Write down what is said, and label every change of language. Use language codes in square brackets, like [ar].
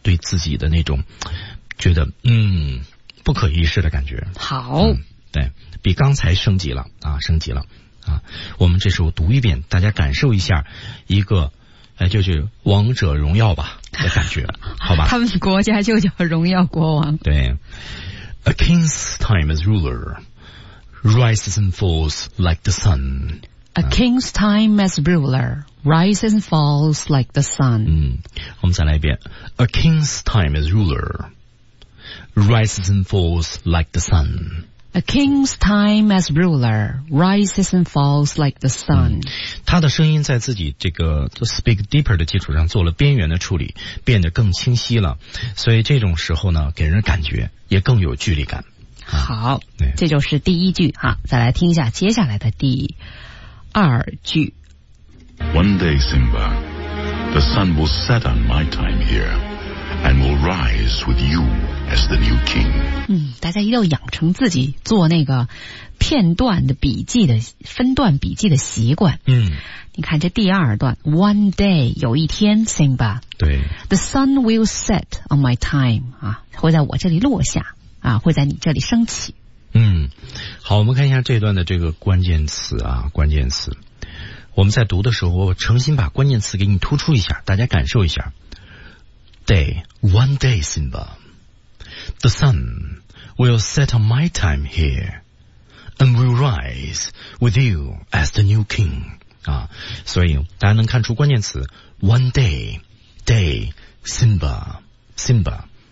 [zh] 对自己的那种觉得不可一世的感觉。好，对比刚才升级了啊，升级了啊。我们这时候读一遍，大家感受一下一个。就是王者荣耀吧的感觉，好吧？他们国家就叫荣耀国王。 [en] 对 ，A king's time as ruler rises and falls like the sun. A king's time as ruler rises and falls like the sun. [zh] 我们再来一遍 [en] ，A king's time as ruler rises and falls like the sun. A king's time as ruler rises and falls like the sun、嗯、 [zh] 他的声音在自己这个 speak deeper 的基础上做了边缘的处理，变得更清晰了，所以这种时候呢给人感觉也更有距离感、啊、好，这就是第一句哈、啊，再来听一下接下来的第二句。 [en] One day Simba, the sun will set on my time hereAnd will rise with you as the new king. [zh] 嗯，大家一定要养成自己做那个片段的笔记的分段笔记的习惯。嗯，你看这第二段 ， [en] One day [zh] 有一天 ，Simba。对。 [en] The sun will set on my time 啊， [zh] 会在我这里落下啊，会在你这里升起。嗯，好，我们看一下这段的这个关键词啊，关键词。我们在读的时候，我诚心把关键词给你突出一下，大家感受一下。 [en] Day, one day, Simba. The sun will set on my time here, and will rise with you as the new king. [zh] 啊，所以大家能看出关键词 one day, day, Simba, Simba.